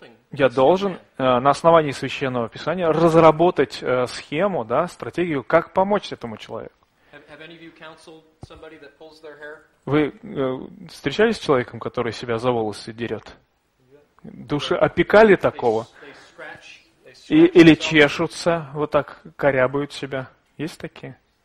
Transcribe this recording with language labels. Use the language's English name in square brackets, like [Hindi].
[Russian] Я должен на основании Священного Писания разработать схему, стратегию, как помочь этому человеку. [English] Have any of you counseled somebody that pulls their hair? [Russian] Вы встречались с человеком, который себя за волосы дерет? Души опекали такого? Или чешутся, вот так корябают себя? Есть такие?